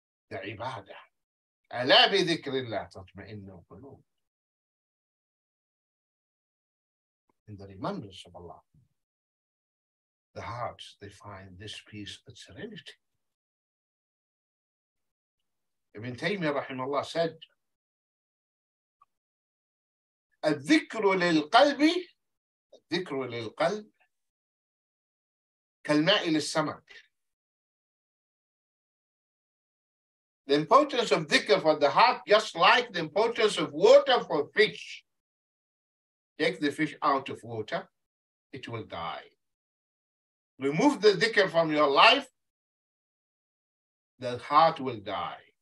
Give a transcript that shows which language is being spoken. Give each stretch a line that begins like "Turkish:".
Arabic: The ibadah. أَلَا بِذِكْرِ اللَّهِ تَطْمَئِنُّ الْقُلُوبِ.
English: In the remembrance of Allah, the hearts, they find this peace and serenity. Ibn Taymiyyah rahimahullah said,
Arabic: الذكر للقلب الذكر للقلب كالماء للسمك.
English: The importance of dhikr for the heart, just like the importance of water for fish. Take the fish out of water, it will die. Remove the dhikr from your life, the heart will die.